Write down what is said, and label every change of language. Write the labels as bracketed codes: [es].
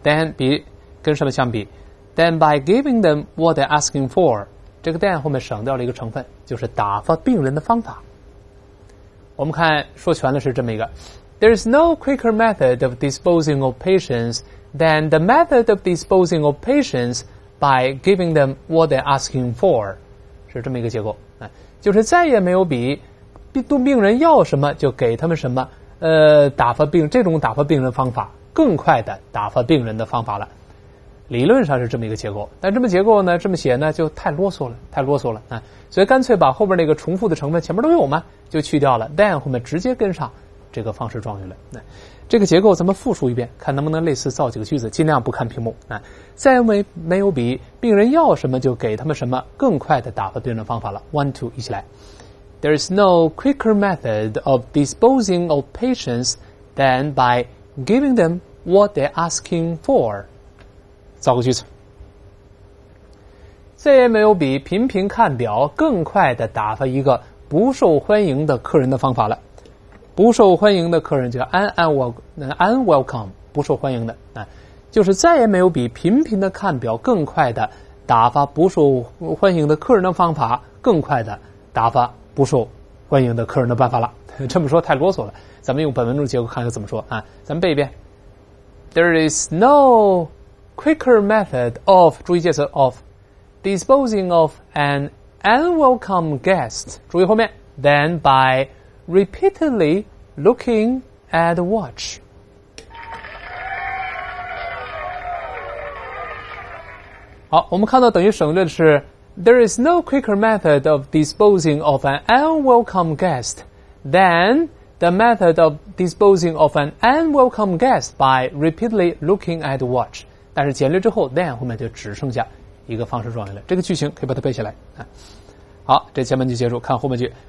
[en] Then [zh] 比跟什么相比 [en] ？Then by giving them what they're asking for。 [zh] 这个 then 后面省掉了一个成分，就是打发病人的方法。我们看说全了是这么一个 [en] ：There is no quicker method of disposing of patients than the method of disposing of patients by giving them what they're asking for， [zh] 是这么一个结构。就是再也没有比动病人要什么就给他们什么，打发病这种打发病人方法更快的打发病人的方法了。理论上是这么一个结构，但这么结构呢，这么写呢就太啰嗦了，太啰嗦了啊！所以干脆把后边那个重复的成分前面都有嘛，就去掉了 ，then 后面直接跟上这个方式状语了。这个结构咱们复述一遍，看能不能类似造几个句子，尽量不看屏幕啊！再没有比病人要什么就给他们什么更快的打发病人方法了。 [en] One two， [zh] 一起来 [en] There is no quicker method of disposing of patients than by giving them what they're asking for. [zh] 造个句子。再也没有比频频看表更快地打发一个不受欢迎的客人的方法了。不受欢迎的客人就unwelcome, 不受欢迎的。就是再也没有比频频的看表更快地打发不受欢迎的客人的方法更快地打发不受欢迎的客人的办法了。这么说太啰嗦了，咱们用本文中结构看看怎么说啊。咱们背一遍。 [en] There is no quicker method of, [zh] 注意介词 [en] of,disposing of an unwelcome guest, [zh] 注意后面 [en] than by repeatedly looking at the watch. [zh] 好，我们看到等于省略的是 [en] There is no quicker method of disposing of an unwelcome guest than the method of disposing of an unwelcome guest by repeatedly looking at the watch. [zh] 但是简略之后 than 后面就只剩下一个方式状语了，这个句型可以把它背下来。好，这前半句结束，看后半句。